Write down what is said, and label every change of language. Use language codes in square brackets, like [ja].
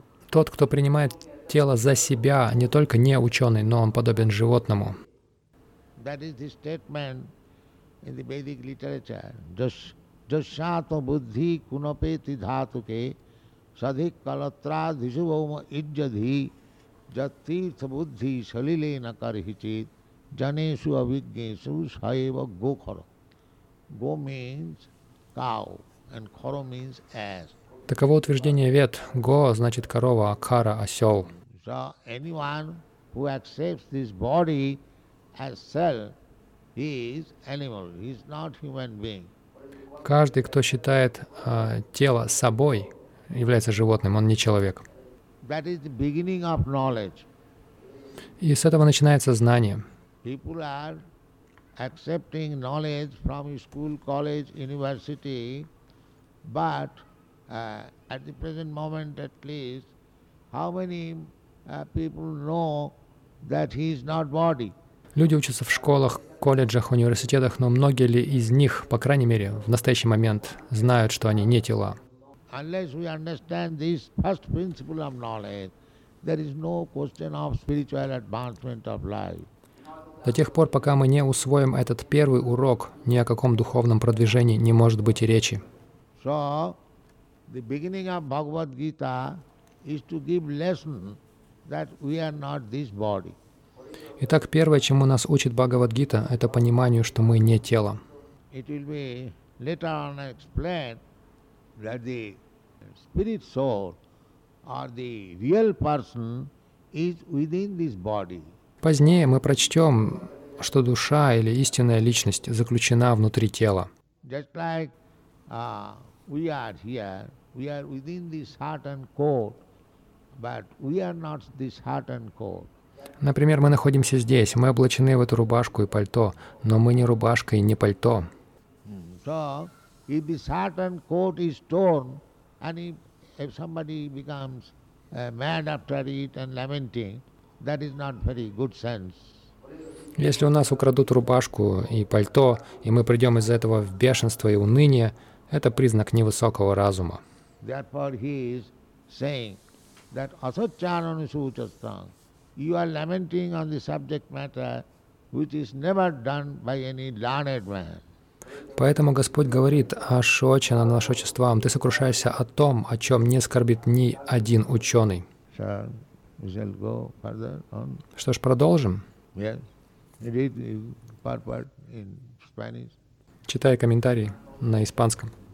[ru] Тот, кто принимает тело за себя, не только не ученый, но он подобен животному. [en] That is the statement in the Vedic literature. [sa] Jashato buddhi kunapeti dhatuke. Садхик калатра дишубаума иджадхи, жаттирта буддхи шалилена карихичит, жанешу авигнешу саева гохара. [en] Го means cow, and khara means ass. [ru] Таково утверждение вед. Го значит корова, а кара – осел. [en] So anyone who accepts this body as self, he is animal, he is not human being. [ru] Каждый, кто считает тело собой, является животным, он не человек. [en] That is the beginning of knowledge. [ru] И с этого начинается знание. [en] People are accepting knowledge from school, college, university, but At the present moment, at least, how many people know that he is not body? [ru] Люди учатся в школах, колледжах, университетах, но многие ли из них, по крайней мере, в настоящий момент знают, что они не тела? [en] Unless we understand this first principle of knowledge, there is no question of spiritual advancement of life. [ru] До тех пор, пока мы не усвоим этот первый урок, ни о каком духовном продвижении не может быть и речи. [en] So, the beginning of Bhagavad Gita is to give lesson that we are not this body. [ru] Итак, первое, чему нас учит Бхагавад-гита, это пониманию, что мы не тело. [en] It will be later on explained that the spirit soul or the real person is within this body. [ru] Позднее мы прочтем, что душа или истинная личность заключена внутри тела. [en] Just like we are here, we are within this heart and core, but we are not this heart and core. [ru] Например, мы находимся здесь, мы облачены в эту рубашку и пальто, но мы не рубашка и не пальто. [en] So, if this heart and coat is torn, and if somebody becomes mad after it and lamenting, that is not very good sense. [ru] Если у нас украдут рубашку и пальто, и мы придем из-за этого в бешенство и уныние, это признак невысокого разума. [en] Therefore, he is saying that [sa] asat charan suchastang. [en] You are lamenting on the subject matter, which is never done by any learned man. [ru] Поэтому Господь говорит [sa] ашочана нашочествам. [ru] Ты сокрушаешься о том, о чем не скорбит ни один ученый. [en] Sure. We shall go further on. [ru] Что ж, продолжим? [en] Yes. Read part in Spanish. [ru] Читай комментарий на испанском.